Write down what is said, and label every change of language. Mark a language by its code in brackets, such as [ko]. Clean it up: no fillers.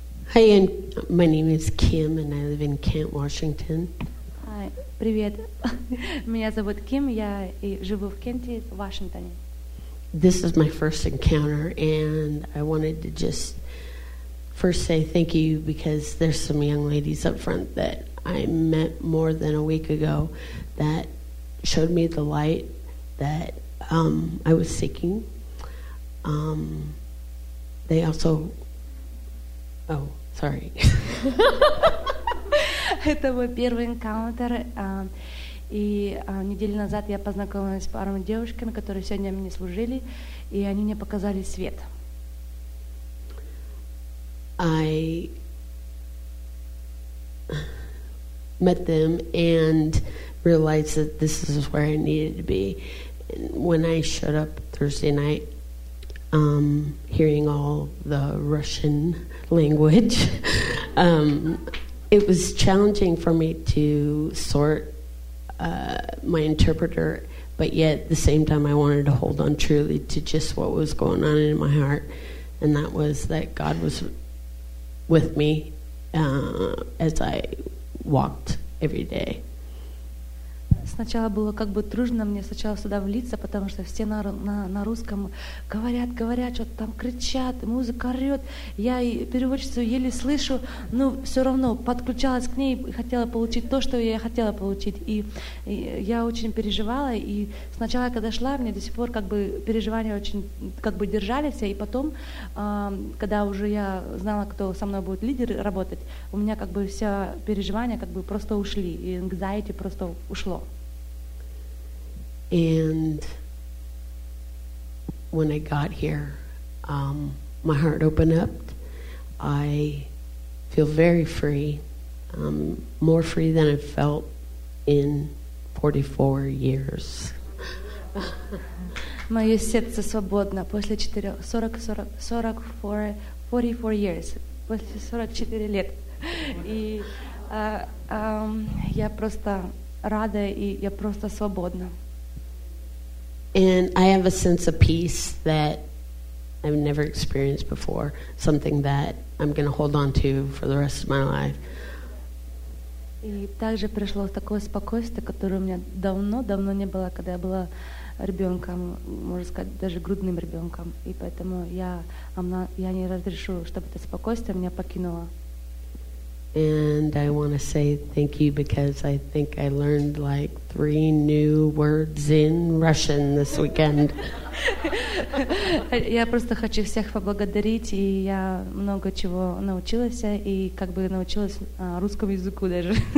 [en] Hey, and my name is Kim, and I live in Kent, Washington. Hi, [ru] привет. Меня зовут Ким, я и живу в Кенте, в Вашингтоне. [en] This is my first encounter, and I wanted to just first say thank you because there's some young ladies up front that I met more than a week ago that showed me the light that I was seeking. They also, oh. Sorry. [ru] Это мой первый encounter, и неделю назад я познакомилась с парой девушек, которые сегодня мне служили, и они мне показали свет. [en] I met them and realized that this is where I needed to be. And when I showed up Thursday night, hearing all the Russian language, it was challenging for me to sort my interpreter, but yet at the same time I wanted to hold on truly to just what was going on in my heart, and that was that God was with me as I walked every day. [ru] Сначала было как бы трудно мне сначала сюда влиться, потому что все на русском говорят, что-то там кричат, музыка орёт. Я и переводчицу еле слышу, но все равно подключалась к ней и хотела получить то, что я хотела получить. И я очень переживала, и сначала, когда шла, мне до сих пор как бы переживания очень как бы держались, и потом, когда уже я знала, кто со мной будет лидер работать, у меня как бы все переживания как бы просто ушли, и anxiety просто ушло. [en] And when I got here, my heart opened up. I feel very free, more free than I've felt in 44 years. [ru] Моё сердце свободно после 44 years. После 44 лет. И я просто рада, и я просто свободна. [en] And I have a sense of peace that I've never experienced before, something that I'm going to hold on to for the rest of my life. [ru] И также пришло такое спокойствие, которое у меня давно не было, когда я была ребенком, можно сказать, даже грудным ребенком. И поэтому я не разрешу, чтобы это спокойствие меня покинуло. [en] And I want to say thank you because I think I learned like 3 new words in Russian this weekend. [ru] Я просто хочу всех поблагодарить, и я много чего научилась, и как бы научилась русскому языку даже.